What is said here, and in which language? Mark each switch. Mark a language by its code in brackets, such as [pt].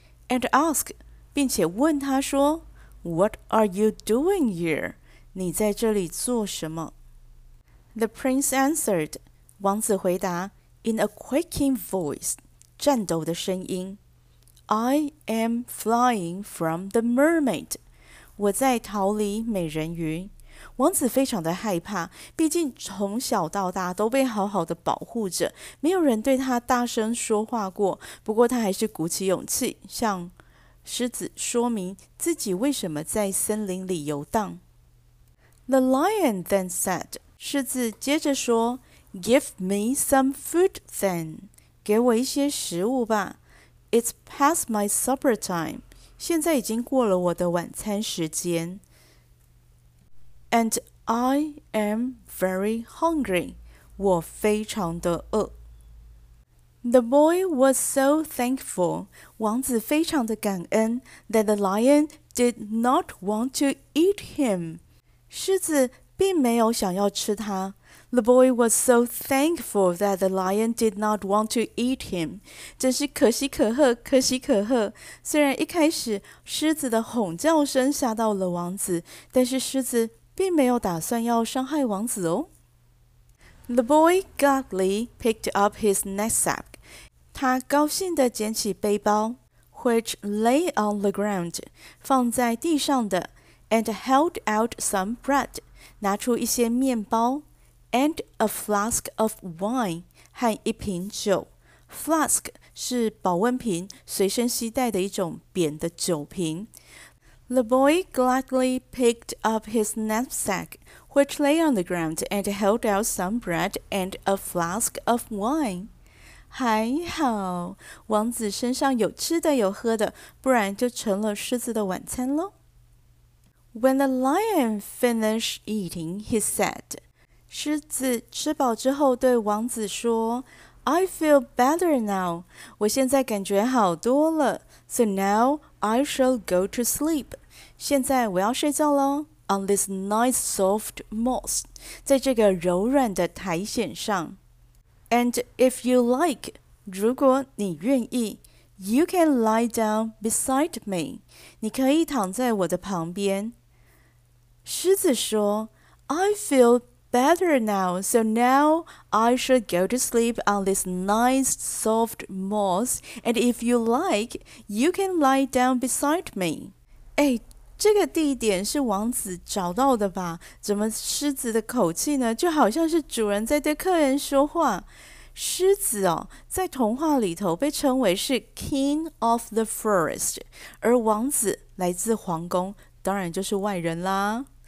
[en] And ask, [zh] 并且问他说 [en] What are you doing here? [zh] 你在这里做什么？ [en] The prince answered, [zh] 王子回答 [en] In a quaking voice, [zh] 颤抖的声音 [en] I am flying from the mermaid. [zh] 我在逃离美人鱼。王子非常的害怕，毕竟从小到大都被好好的保护着，没有人对他大声说话过。不过他还是鼓起勇气，向狮子说明自己为什么在森林里游荡。 [en] The lion then said, [zh] 狮子接着说 [en] Give me some food then. [zh] 给我一些食物吧。 [en] It's past my supper time. [zh] 现在已经过了我的晚餐时间。 [en] And I am very hungry. [zh] 我非常的饿。 [en] The boy was so thankful. [zh] 王子非常的感恩 [en] that the lion did not want to eat him. [zh] 狮子并没有想要吃他。 [en] The boy was so thankful that the lion did not want to eat him. [zh] 真是可喜可贺，可喜可贺。虽然一开始狮子的吼叫声吓到了王子，但是狮子并没有打算要伤害王子哦。 [en] The boy gladly picked up his knapsack. [zh] 他高兴地捡起背包 [en] ,which lay on the ground, [zh] 放在地上的 [en] ,and held out some bread, [zh] 拿出一些面包 [en] ,and a flask of wine, [zh] 和一瓶酒。 Flask 是保温瓶，随身携带的一种扁的酒瓶。 [en] The boy gladly picked up his knapsack, which lay on the ground, and held out some bread and a flask of wine. [zh] 还好，王子身上有吃的有喝的，不然就成了狮子的晚餐咯。 [en] When the lion finished eating, he said, [zh] 狮子吃饱之后对王子说 [en] I feel better now. [zh] 我现在感觉好多了。 [en] So now I shall go to sleep. [zh] 现在我要睡觉了。 [en] On this nice soft moss, [zh] 在这个柔软的苔藓上。 [en] And if you like, [zh] 如果你愿意 [en] ,you can lie down beside me. [zh] 你可以躺在我的旁边。狮子说 [en] ,I feel better now, so now I should go to sleep on this nice soft moss, and if you like, you can lie down beside me. [zh] 哎，这个地点是王子找到的吧？怎么狮子的口气呢？就好像是主人在对客人说话。狮子哦，在童话里头被称为是 [en] King of the Forest， [zh] 而王子来自皇宫，当然就是外人啦。